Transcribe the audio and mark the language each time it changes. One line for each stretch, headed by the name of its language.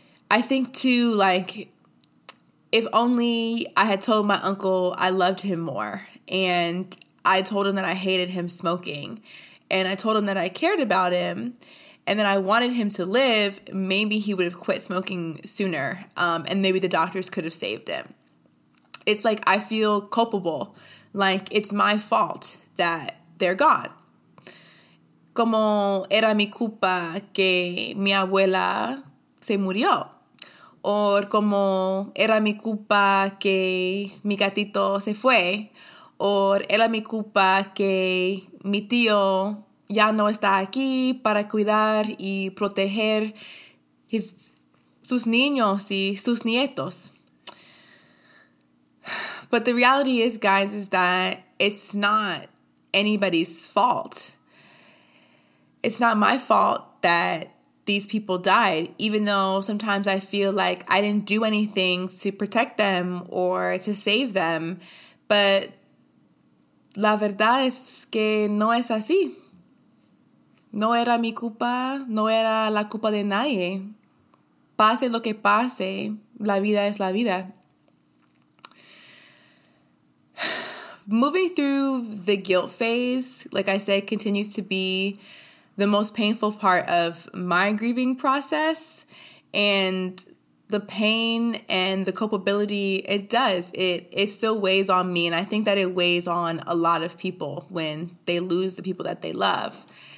English: I think too, like, if only I had told my uncle I loved him more and I told him that I hated him smoking and I told him that I cared about him and that I wanted him to live, maybe he would have quit smoking sooner and maybe the doctors could have saved him. It's like I feel culpable, like it's my fault that they're gone.
Spanish: Como era mi culpa que mi abuela se murió. O como era mi culpa que mi gatito se fue. O era mi culpa que mi tío ya no está aquí para cuidar y proteger sus niños y sus nietos.
English: But the reality is, guys, is that it's not anybody's fault. It's not my fault that these people died, even though sometimes I feel like I didn't do anything to protect them or to save them.
Spanish: But la verdad es que no es así. No era mi culpa, no era la culpa de nadie. Pase lo que pase, la vida es la vida.
English: Moving through the guilt phase, like I said, continues to be the most painful part of my grieving process, and the pain and the culpability, it does. It still weighs on me, and I think that it weighs on a lot of people when they lose the people that they love.